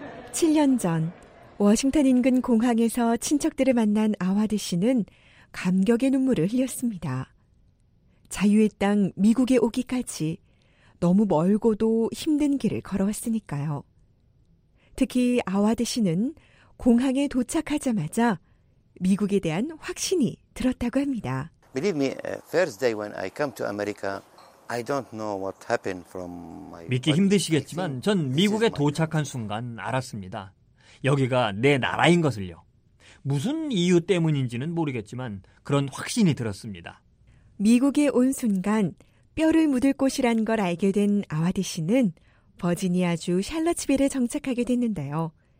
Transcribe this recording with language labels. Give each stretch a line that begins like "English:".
Korean: 7년 전 워싱턴 인근 공항에서 친척들을 만난 아와드 씨는 감격의 눈물을 흘렸습니다. 자유의 땅 미국에 오기까지 너무 멀고도 힘든 길을 걸어왔으니까요. 특히 아와드 씨는 공항에 도착하자마자 미국에 대한 확신이 들었다고 합니다.
English: Believe me, first day when I come to America, I don't know what happened from my.
Korean: 믿기 힘드시겠지만 전 미국에 도착한 순간 알았습니다. 여기가 내 나라인 것을요. 무슨 이유 때문인지는 모르겠지만 그런 확신이 들었습니다. 미국에 온 순간 뼈를 묻을 곳이란 걸 알게 된 아와디 씨는 버지니아주 샬럿츠빌에 정착하게 됐는데요.